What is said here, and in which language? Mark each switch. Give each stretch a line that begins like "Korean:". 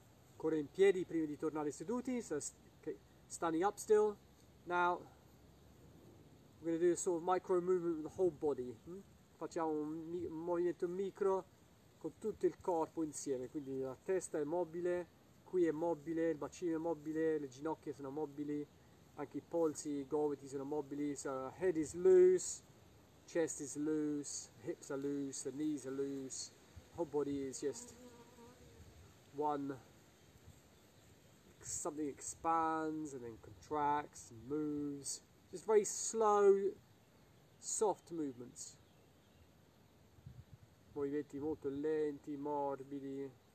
Italian: Ancora in piedi prima di tornare seduti.
English: So standing up still. Now we're going to do a sort of micro movement with the whole body.
Italian: Facciamo un movimento micro con tutto il corpo insieme. Quindi la testa è mobile, qui è mobile, il bacino è mobile, le ginocchia sono mobili, anche i polsi, i gomiti sono mobili.
English: So head is loose. Chest is loose, hips are loose, the knees are loose, whole body is just one. Something expands and then contracts and moves. Just very slow, soft movements.
Italian: Movimenti molto lenti, morbidi.